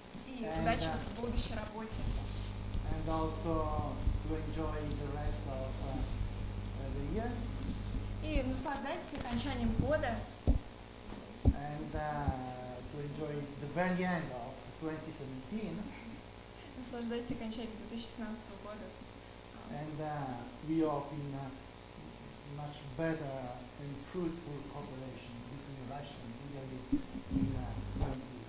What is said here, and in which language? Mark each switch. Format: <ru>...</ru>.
<en>And also to enjoy the rest of the year.</en> <ru>И наслаждайтесь окончанием года.</ru> <en>And to enjoy the very end of 2017.</en> <ru>Наслаждайтесь окончанием 2016 года.</ru> <en>And we hope in much better and fruitful cooperation between Russia and Italy in 2020.</en>